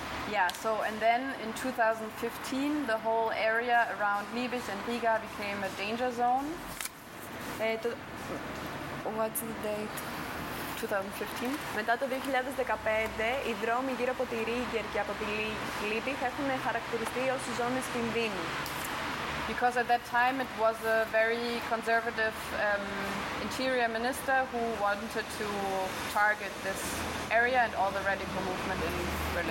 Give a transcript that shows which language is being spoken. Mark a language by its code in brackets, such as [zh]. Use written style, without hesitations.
[en] Yeah, so and then in 2015 the whole area around Liebig and Riga became a danger zone. What's the date? 2015. [el] Μετά το 2015 οι δρόμοι γύρω από τη Ρίγκερ και από τη Liebig έχουν χαρακτηριστεί ως ζώνες κινδύνου. [en] Because at that time it was a very conservative interior minister who wanted to target this area and all the radical movement in Berlin.